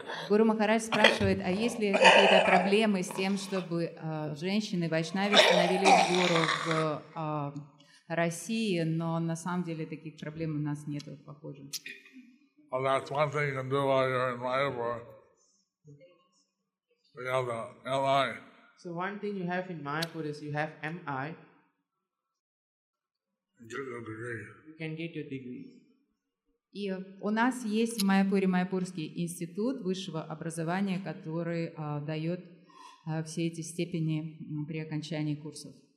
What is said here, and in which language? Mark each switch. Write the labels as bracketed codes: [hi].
[ru] Гуру Махарадж спрашивает, а есть ли какие-то проблемы с тем, чтобы женщины вайшнави становились гуру в России, но на самом деле таких проблем у нас нет, похоже. [en] Well, that's one thing you can do while you're in Mayapur. We have the MI. So one thing you have in Mayapur is you have MI. Get your degree. You can get your degree. [ru] И у нас есть в Майяпуре Майяпурский институт высшего образования, который дает все эти степени при окончании курсов.